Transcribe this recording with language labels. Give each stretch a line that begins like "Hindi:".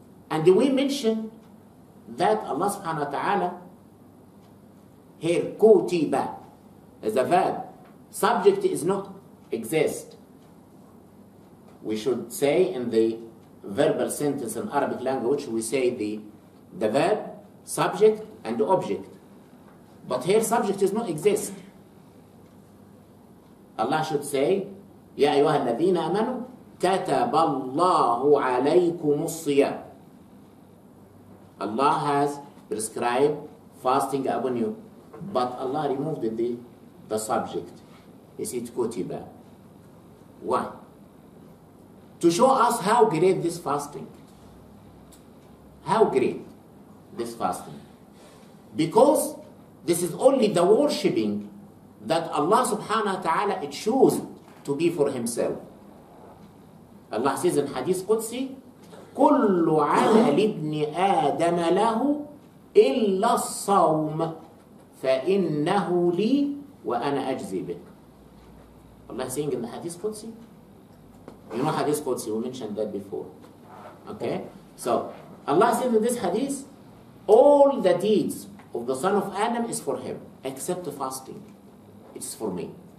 English: And we mentioned that Allah subhanahu wa ta'ala, here, kutiba is a verb. Subject is not exist. We should say in the verbal sentence in Arabic language, we say the verb, subject, and the object. But here, subject is not exist. Allah should say,
Arabic: يَا أَيُّهَا الَّذِينَ آمَنُوا كَتَبَ اللَّهُ عَلَيْكُمُ الصِّيَامِ.
English: Allah has prescribed fasting upon you. But Allah removed the subject. He said, kutiba. Why? To show us how great this fasting. How great this fasting. Because this is only the worshipping that Allah subhanahu wa ta'ala chose to be for himself. Allah says in Hadith Qudsi,
Arabic: كُلُّ عَمَلِ ابْنِ آدَمَ لَهُ إِلَّا الصَّوْمَ فَإِنَّهُ لِي وَأَنَا أَجْزِي بِكَ.
English: Allah is saying in the Hadith Qudsi, you know Hadith Qudsi, we mentioned that before. Okay, so Allah says in this Hadith, all the deeds of the son of Adam is for him, except the fasting. It's for me.